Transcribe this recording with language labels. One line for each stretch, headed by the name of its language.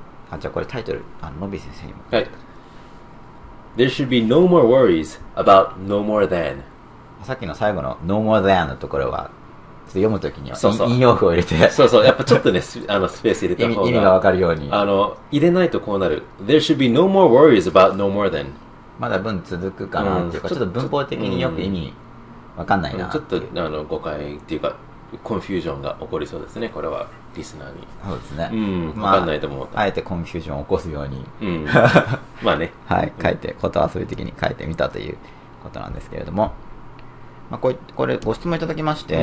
Japanese: あ、じゃあこれタイトル、ノビー先生にも、
English: はい、There should be no more worries about no more than、
Japanese: さっきの最後の
English: no more than
Japanese: のところは読むときには、そうそう、引用符を入れて、そうそう、やっぱちょっとねスペース入れた方が意味が分かるように、入れないとこうなる。
English: There should be no more worries about no more than、
Japanese: まだ文続くかなっていうか、うん、ちょっと文法的によく意味、うん、わかんないな、ちょっと誤解っていうかコンフュージョンが起こりそうですね、これはリスナーに。そうですね、うん、わかんないと思う、まあ、あえてコンフュージョンを起こすように、うん、まあね、はい、書いて、ことは遊び的に書いてみたということなんですけれども、まあ、これご質問いただきまして、